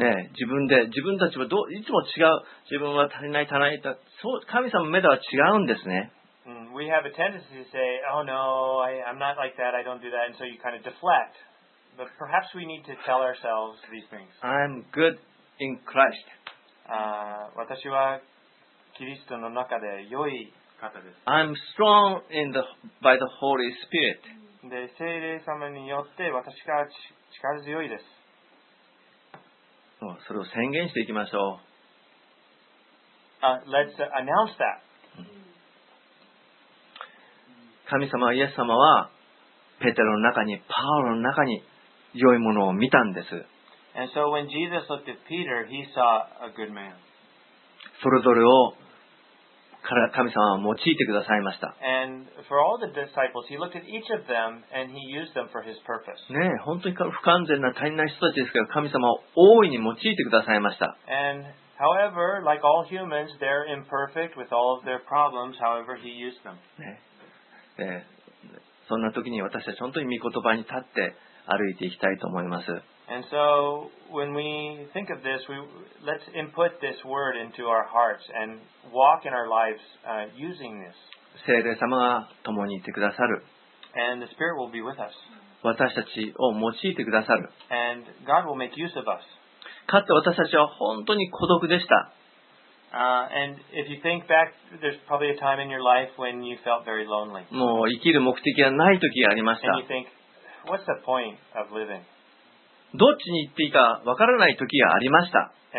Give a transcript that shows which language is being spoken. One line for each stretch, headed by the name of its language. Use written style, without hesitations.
Japanese: ね、自分で自分たちはどういつも違う自分は足りない足りないとそう神様の目では違うんですね。
English: We have a tendency to say, "Oh no, I'm not like that. I don't do that." And so you kind of deflect. But perhaps we need to tell ourselves these things. I'm good in Christ.
Japanese: 私はキリストの中で良い方です。
English: I'm strong in the by the Holy Spirit.
Japanese: で聖霊様によって私が力強いです。それを宣言していきましょう。
English: Let's announce that.
Japanese: 神様イエス様はペテロの中にパウロの中に良いものを見たんです。
English: And so when Jesus looked at Peter, he saw a good man.
Japanese: それぞれを神様は用いてくださいました。
English: And for all the disciples, he looked at each of them and he used them for his purpose.
Japanese: ねえ、本当に不完全な足りない人たちですけど、神様は大いに用いてくださいました。
English: And however, like all humans, they're imperfect with all of their problems. However, he used them.
Japanese: ねえ、そんな時に私たち本当に御言葉に立って歩いていきたいと思います。
English: And so, when we think of this, let's input this word into our hearts and walk in our lives using this.
Japanese: 聖霊様が共にいてくださる。
English: And the Spirit will be with us.
Japanese: 私たちを用いてくださる。
English: And God will make use of us.
Japanese: かつて私たちは本当に孤独でした。
English: And if you think back, there's probably a time in your life when you felt very lonely.
Japanese: もう生きる目的がない時がありました。
English: And you think, what's the point of living?
Japanese: どっちに行っていいかわからない時がありました。